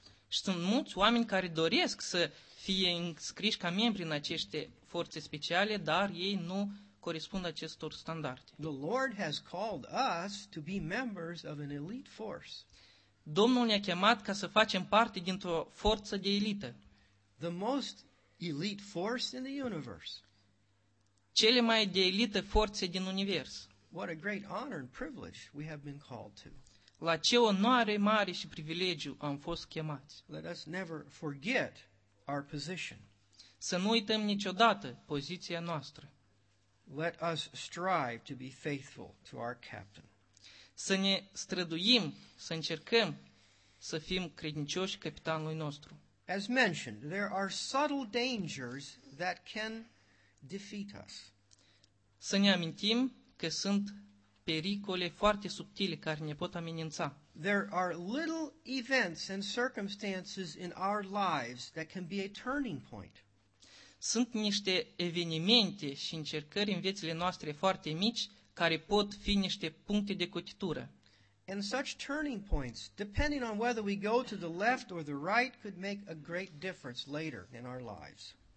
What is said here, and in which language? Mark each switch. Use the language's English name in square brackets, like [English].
[Romanian] Sunt mulți oameni care doresc să fie înscriși ca membri în aceste forțe speciale, dar ei nu corespund acestor standarde. [English] The Lord has called us to be members of an elite force. [Romanian] Domnul ne-a chemat ca să facem parte dintr-o forță de elită. [English] The most elite force in the universe. [Romanian] Cele mai de elită forțe din univers. [English] What a great honor and privilege we have been called to. [Romanian] La ce onoare mare și privilegiu am fost chemați. [English] Let us never forget our position. [Romanian] Să nu uităm niciodată poziția noastră. [English] Let us strive to be faithful to our captain. [Romanian] Să ne străduim, să încercăm să fim credincioși capitanului nostru. [English] As mentioned, there are subtle dangers that can defeat us. [Romanian] Să ne amintim că sunt pericole foarte subtile care ne pot amenința. [English] There are little events and circumstances in our lives that can be a turning point. [Romanian] Sunt niște evenimente și încercări în viețile noastre foarte mici care pot fi niște puncte de cotitură. [English] And such turning points, depending on whether we go to the left or the right, could make a great difference later in our lives.